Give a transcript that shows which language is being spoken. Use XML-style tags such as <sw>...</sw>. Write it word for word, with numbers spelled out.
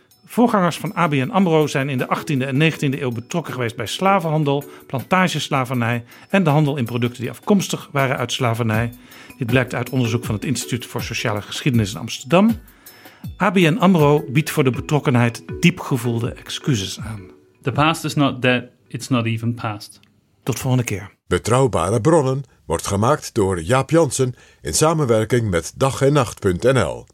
<nl>Voorgangers van A B N AMRO zijn in de achttiende en negentiende eeuw betrokken geweest bij slavenhandel, plantageslavernij en de handel in producten die afkomstig waren uit slavernij. Dit blijkt uit onderzoek van het Instituut voor Sociale Geschiedenis in Amsterdam. A B N AMRO biedt voor de betrokkenheid diepgevoelde excuses aan.</nl> <en>The past is not dead, it's not even past.</en> <nl>Tot volgende keer. Betrouwbare bronnen wordt gemaakt door Jaap Jansen in samenwerking met dag en nacht punt n l.</nl>